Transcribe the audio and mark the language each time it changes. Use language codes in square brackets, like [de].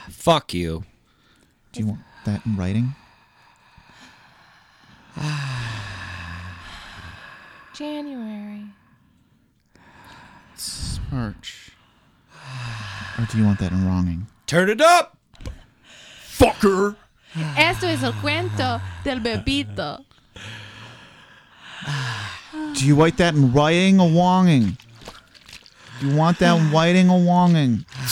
[en] Fuck you. Do you want that in writing? January. It's March. Or do you want that in wronging? Turn it up! Fucker! [es] Esto es el cuento del bebito. [en] Do you want that in writing or wronging? Do you want that in writing or wronging?